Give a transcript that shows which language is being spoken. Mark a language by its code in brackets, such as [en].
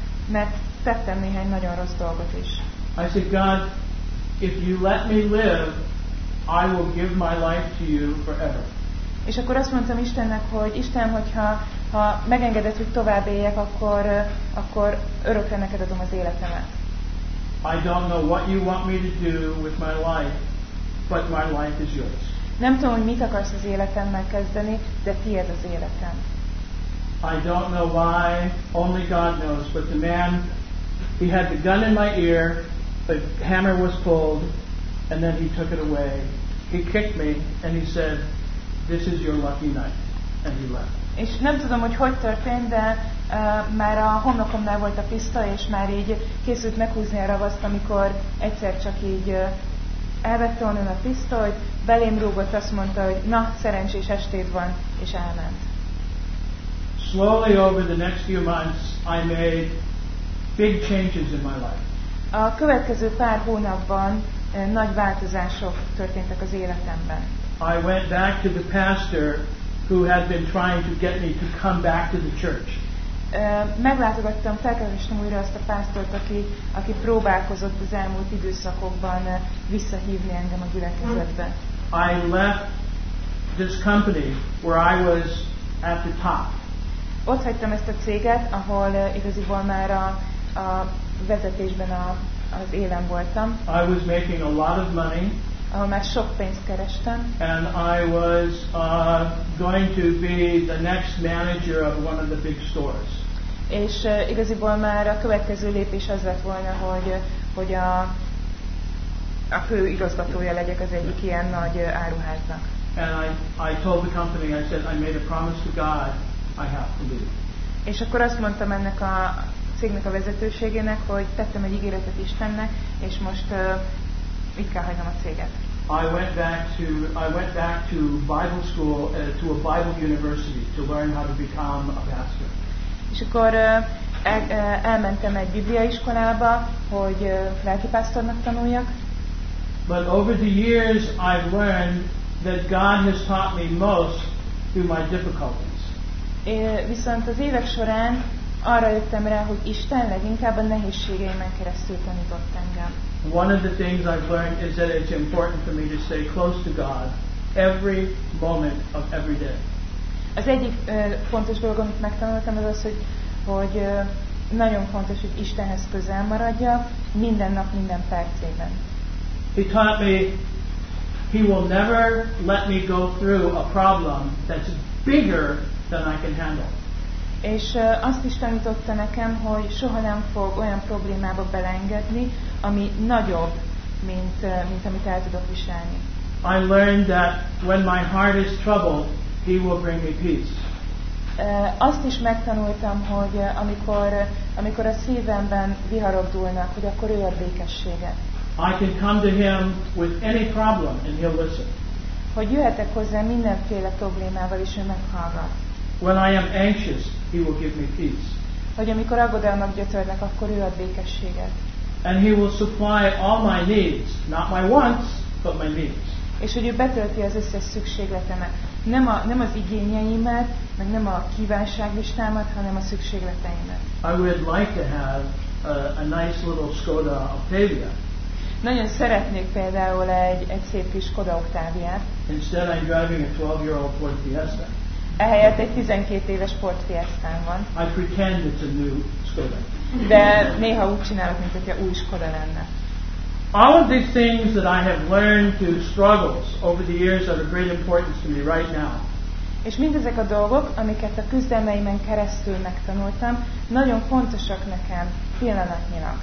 [hu] Mert tettem néhány nagyon rossz dolgot is. [en] I said, "God, if you let me live, I will give my life to you forever." [hu] És akkor azt mondtam Istennek, hogy Isten, hogyha megengedett, hogy tovább éljek, akkor örökre neked adom az életemet. [en] I don't know what you want me to do with my life, but my life is yours. [hu] Nem tudom, hogy mit akarsz az életemmel kezdeni, de tiéd az életem. [en] I don't know why, only God knows, but the man, he had the gun in my ear, the hammer was pulled, and then he took it away. He kicked me, and he said, "This is your lucky night," and he left. [hu] És nem tudom, hogy történt, de már a homlokomnál volt a pisztoly, és már így készült meghúzni a ravaszt, amikor egyszer csak így elvette onnan a pisztolyt, belém rúgott, azt mondta, hogy na, szerencsés estét van, és elment. [en] Slowly over the next few months, I made big changes in my life. [hu] A következő pár hónapban nagy változások történtek az életemben. [en] I went back to the pastor who had been trying to get me to come back to the church. [hu] Meglátogattam, felkerestem újra azt a pásztort, aki próbálkozott az elmúlt időszakokban visszahívni engem a gyülekezetbe. [en] I left this company where I was at the top. [hu] Ott hagytam ezt a céget, ahol igaziból már a vezetésben az élen voltam. [en] I was making a lot of money. [hu] Ahol már sok pénzt kerestem. [en] And I was going to be the next manager of one of the big stores. [hu] És igaziból már a következő lépés az lett volna, hogy a fő igazgatója legyek az egyik ilyen nagy áruháznak. [en] And I told the company, I said, I made a promise to God, I have to leave. [hu] És akkor azt mondtam ennek a cégnek a vezetőségének, hogy tettem egy ígéretet Istennek, és most itt kell hagynom a céget. [en] I went back to Bible school, to a Bible university to learn how to become a pastor. [hu] És akkor elmentem egy Biblia iskolába, hogy lelkipásztornak tanuljak. [en] But over the years I've learned that God has taught me most through my difficulties. [hu] Viszont az évek során arra jöttem rá, hogy Isten leginkább a nehézségeimen keresztül tanított engem. [en] One of the things I've learned is that it's important for me to stay close to God every moment of every day. [hu] Az egyik fontos dolog, amit megtanultam, az az, hogy nagyon fontos, hogy Istenhez közel maradja minden nap, minden percében. [en] He taught me he will never let me go through a problem that's bigger than I can handle. [hu] És azt is tanította nekem, hogy soha nem fog olyan problémába belengedni, ami nagyobb, mint amit el tudok viselni. [en] I learned that when my heart is troubled, He will bring me peace. [hu] Azt is megtanultam, hogy amikor a szívemben viharok dúlnak, hogy akkor ő ad békességet. [en] I can come to him with any problem and he'll listen. [hu] Hogy jöhetek hozzá mindenféle problémával is, ő meghallgat. [en] When I am anxious, he will give me peace. [hu] Hogy amikor aggodalmak gyötörnek, akkor ő ad békességet. [en] And he will supply all my needs, not my wants, but my needs. [hu] És hogy ő betölti az összes szükségletemet. Nem az igényeimet, meg nem a kívánságlistámat, hanem a szükségleteimet. [en] I would like to have a nice little Skoda Octavia. [hu] Nagyon szeretnék például egy szép kis Skoda Octaviát. [en] Instead I'm driving a 12-year-old Ford Fiesta. [hu] Ehelyett egy 12 éves Ford Fiesta-n van. [en] I pretend it's a new Skoda. [hu] De néha úgy csinálok, mint hogyha új Skoda lenne. [en] All of these things that I have learned through struggles over the years are of great importance to me right now. [hu] És mindezek a dolgok, amiket a küzdelmeimen keresztül megtanultam, nagyon fontosak nekem pillanatnyilag.